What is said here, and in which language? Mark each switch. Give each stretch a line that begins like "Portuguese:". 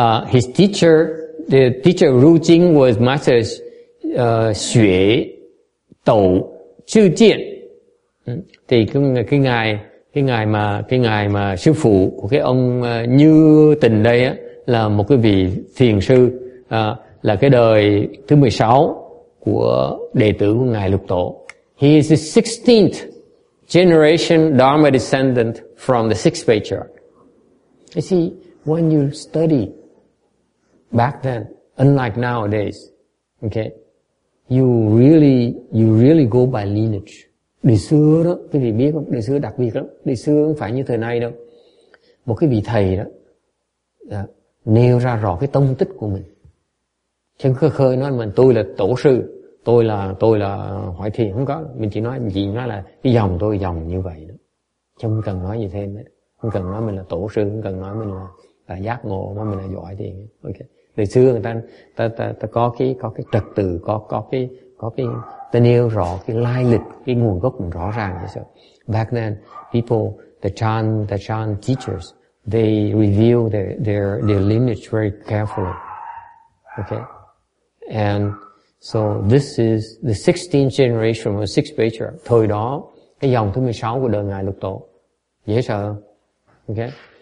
English: His teacher, the teacher Ru Jing, was Master Xue Tẩu Chư Tiện.
Vietnamese: Thì cái ngài mà sư phụ của cái ông Như Tịnh đây á, là một cái vị thiền sư, là cái đời thứ 16 của đệ tử của ngài Lục Tổ.
English: He is the 16th generation Dharma descendant from the 6th patriarch. You see, when you study back then, unlike nowadays, okay, you really go by lineage.
Vietnamese: Đời xưa đó, cái gì biết không? Đời xưa đặc biệt lắm. Đời xưa không phải như thời nay đâu. Một cái vị thầy đó, nêu ra rõ cái tông tích của mình. Chứ khơi khơi nói mình tôi là tổ sư, tôi là hỏi thiền, không có. Mình chỉ nói, gì nói là cái dòng tôi dòng như vậy đó. Chứ không cần nói gì thêm hết. Không cần nói mình là tổ sư, không cần nói mình là giác ngộ, mà mình là giỏi thiền. Okay. Đời xưa người ta có cái trật tự, có cái ta nêu rõ cái lai lịch, cái nguồn gốc mình rõ ràng.
English: So back then, people, the Chan teachers, they reveal their lineage very carefully. Okay? And so this is the 16th generation of the 6th patriarch.
Vietnamese: Thời đó, cái dòng thứ 16 của đời Ngài Lục Tổ. Dễ sợ không? Okay?